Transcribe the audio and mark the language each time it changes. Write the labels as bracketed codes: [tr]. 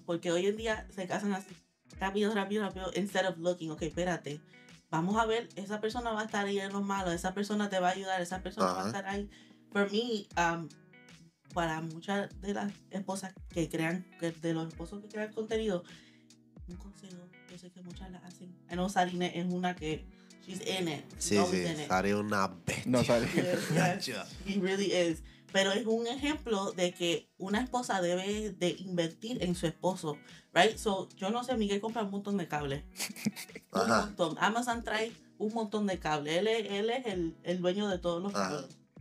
[es] Porque hoy en día se casan así rápido, [en] instead of looking. [es] Ok, espérate. Vamos a ver, esa persona va a estar ahí en lo malo. Esa persona te va a ayudar. Esa persona va a estar ahí. [en] For me, [es] para muchas de las esposas que crean, de los esposos que crean contenido, un consejo, yo sé que muchas las hacen. [en] I know Sarine [es] es una que, [en] she's in it. [es] Sí, no, sí, Sarine es una bestia. No, Sarine. [en] Yes, he really is. [es] Pero es un ejemplo de que una esposa debe de invertir en su esposo, [en] right? [es] So, yo no sé, Miguel compra un montón de cables. Un montón. Amazon trae un montón de cables. Él es el dueño de todos los cables.